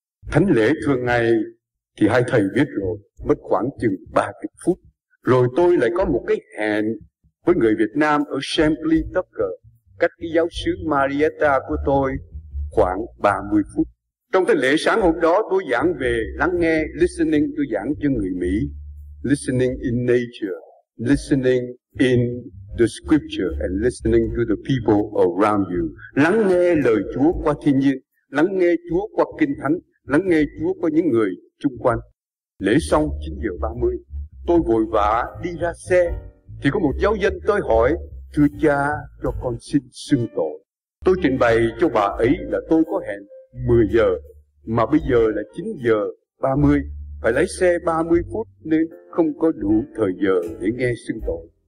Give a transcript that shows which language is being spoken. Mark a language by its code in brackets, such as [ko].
[vi] Thánh lễ thường ngày thì hai thầy biết rồi, mất khoảng chừng 30 phút. Rồi tôi lại có một cái hẹn với người Việt Nam ở Champlain Tucker, cách cái giáo xứ Marietta của tôi khoảng 30 phút. Trong cái lễ sáng hôm đó, tôi giảng về lắng nghe, listening, tôi giảng cho người Mỹ. [en] Listening in nature, listening in the scripture, and listening to the people around you. [vi] Lắng nghe lời Chúa qua thiên nhiên, lắng nghe Chúa qua kinh thánh, lắng nghe Chúa qua những người chung quanh. Lễ xong 9:30, tôi vội vã đi ra xe, thì có một giáo dân tới hỏi, thưa cha, cho con xin xưng tội. Tôi trình bày cho bà ấy là tôi có hẹn 10 giờ, mà bây giờ là 9:30, phải lái xe 30 phút nên không có đủ thời giờ để nghe xưng tội.